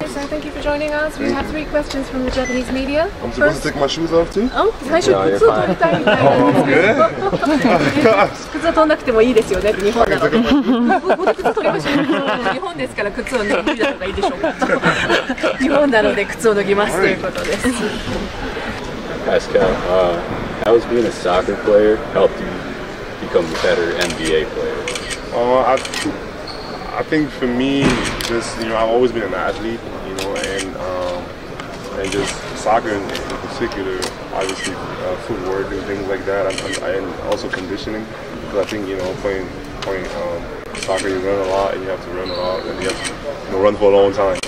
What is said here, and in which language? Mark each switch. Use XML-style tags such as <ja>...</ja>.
<en>Thank you for joining us. We have three questions from the Japanese media. I'm supposed to take my shoes off too?</en> <ja>Oh, 最初靴を取りたいみたいなんですけど。靴を取らなくてもいいですよね、日本だと。ここで靴取りましょう。日本ですから靴を脱いだ方がいいでしょうか。日本なので靴を脱ぎますということです。</ja> <en>Pascal, how has being a soccer player helped you become a better NBA player? I think for me, just, you know, I've always been an athlete, you know, and just soccer in particular, obviously, footwork and things like that, and also conditioning, because I think, you know, playing soccer, you run a lot, and you have to run a lot, and you have to, you know, run for a long time.</en>